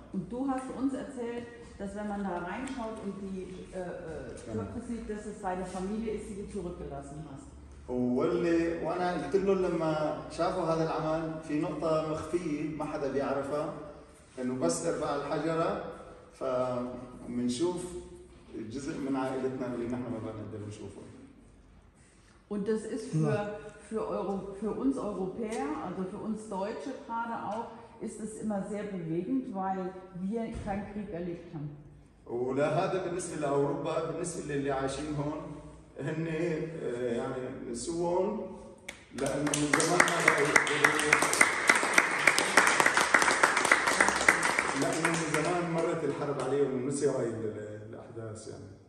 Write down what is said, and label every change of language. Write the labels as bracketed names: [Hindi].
[German] Und du hast uns erzählt, dass wenn man da reinschaut und die Körper sieht, dass es deine Familie ist, die du zurückgelassen hast. [Arabic] وانا قلت له لما شافوا هذا العمل في نقطة مخفية ما حدا بيعرفها، انه بس ارفع الحجرة فمنشوف جزء من عائلتنا اللي نحن ما بنقدر نشوفه. [German] Und das ist für uns Europäer, also für uns Deutsche gerade auch, ist es immer sehr bewegend, weil wir keinen Krieg erlebt haben. [Arabic] ولا هذا بالنسبة لأوروبا، بالنسبة للي عايشين هون هن يعني نسوهم، لأنه من زمان ما مرت الحرب عليهم ونسيوا هاي الأحداث يعني.